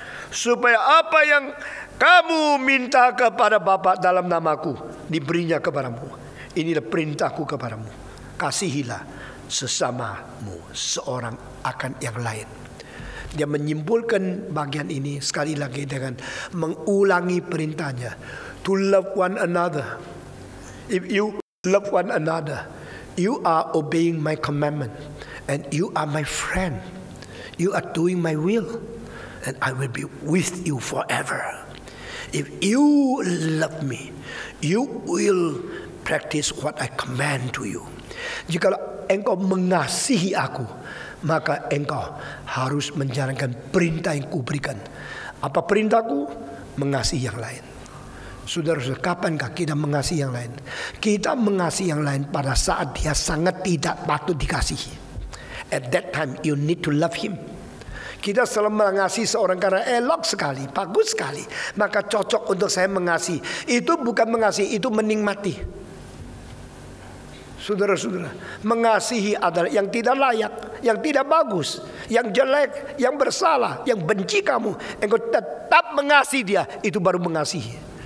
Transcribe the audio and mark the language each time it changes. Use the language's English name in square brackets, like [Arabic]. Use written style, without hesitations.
[Indonesian] Supaya apa yang kamu minta kepada Bapa dalam namaku diberinya kepadamu. Inilah perintahku kepadamu. Kasihilah sesamamu seorang akan yang lain. Dia menyimpulkan bagian ini sekali lagi dengan mengulangi perintahnya. [English] To love one another. If you love one another, you are obeying my commandment. And you are my friend. You are doing my will. and I will be with you forever. If you love me, you will practice what I command to you. [Indonesian] Jika engkau mengasihi aku, maka engkau harus menjalankan perintah yang kuberikan. Apa perintahku? Mengasihi yang lain. Saudara-saudara, kapankah kita mengasihi yang lain? Kita mengasihi yang lain pada saat dia sangat tidak patut dikasihi. [English] At that time, you need to love him. [Indonesian] Kita selalu mengasihi seorang karena elok sekali, bagus sekali, maka cocok untuk saya mengasihi. Itu bukan mengasihi, itu menikmati. Saudara-saudara, mengasihi adalah yang tidak layak, yang tidak bagus, yang jelek, yang bersalah, yang benci kamu, engkau tetap mengasihi dia, itu baru mengasihi.